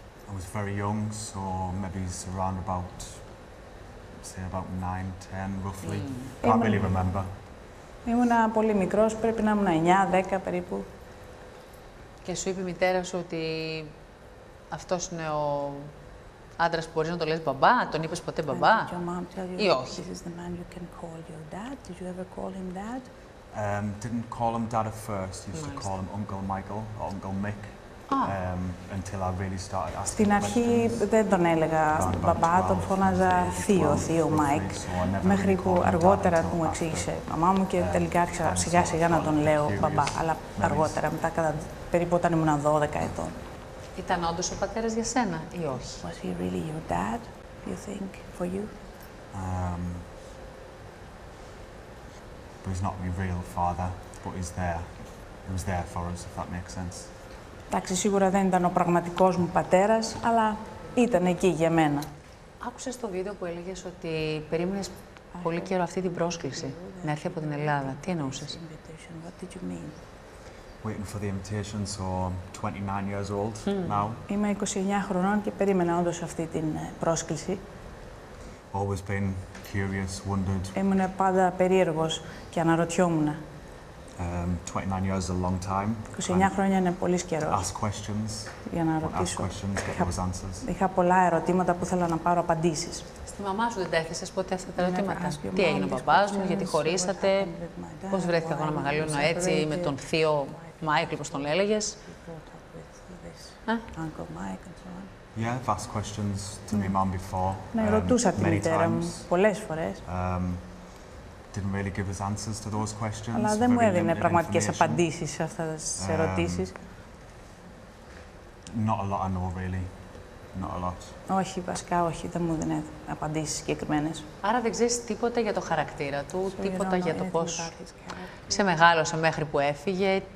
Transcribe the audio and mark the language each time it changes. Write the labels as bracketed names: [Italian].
[English] I was very young, so maybe it's around about, say about 9-10 roughly. I can't really remember. [Greek] Ήμουνα πολύ μικρός, πρέπει να ήμουν 9-10 περίπου. Και σου είπε η μητέρα σου ότι αυτός είναι ο άντρας που μπορείς να το λες μπαμπά, τον είπες ποτέ μπαμπά ή όχι? [English] This is the man you can call your dad. Did you ever call him dad? Didn't call him dad at first. Used to call him Uncle Michael or Uncle Mick. Until I really started asking. [Greek] Στην αρχή δεν τον έλεγα μπαμπά, τον φώναζα θείο, θείο Μάικ. Μέχρι που αργότερα μου εξήγησε η μαμά μου και τελικά άρχισα σιγά σιγά να τον λέω μπαμπά. Αλλά αργότερα, μετά κατά περίπου όταν ήμουν 12 ετών. Ήταν όντως ο πατέρας για σένα ή όχι? [English] Was he really your dad, you think, for you? But he's not my real father, but he's there. He was there for us, if that makes sense. [Greek] Εντάξει, σίγουρα δεν ήταν ο πραγματικός μου πατέρας, αλλά ήταν εκεί για μένα. Άκουσες το βίντεο που έλεγες ότι περίμενες πολύ καιρό αυτή την πρόσκληση να έρθει από την Ελλάδα. Τι εννοούσες? [English] Waiting for the invitation, so I'm 29 years old now. [Greek] Είμαι 29 χρονών και περίμενα όντως αυτή την πρόσκληση. [English] Always been curious, wondered. [Greek] Ήμουν πάντα περίεργος και αναρωτιόμουν. [English] 29 years is a long time. [Greek] 29 χρόνια είναι πολύ καιρό. [English] Ask questions. [Greek] Για να ρωτήσω. [English] Ask questions, get those answers. [Greek] Είχα πολλά ερωτήματα που ήθελα να πάρω απαντήσεις. Στη μαμά σου δεν τα έθεσες ποτέ αυτά τα ερωτήματα? Τι έγινε ο μπαμπάς μου, γιατί χωρίσατε, πώς βρέθηκα εγώ να μεγαλώνω έτσι με τον θείο Μάικλ, όπως τον έλεγες? [English] Yeah, I've asked questions to my mom before. [Greek] Ναι, ρωτούσα τη μητέρα μου πολλές φορές. [English] Didn't really give us answers to those questions. [Greek] Αλλά δεν μου έδινε πραγματικές απαντήσεις σε αυτές τις ερωτήσεις. [English] Not a lot I know, really. Not a lot. [Greek] Όχι, βασικά όχι. Δεν μου έδινε απαντήσεις συγκεκριμένες. Άρα δεν ξέρεις τίποτα για το χαρακτήρα του, τίποτα για το πώς σε μεγάλωσε μέχρι που έφυγε.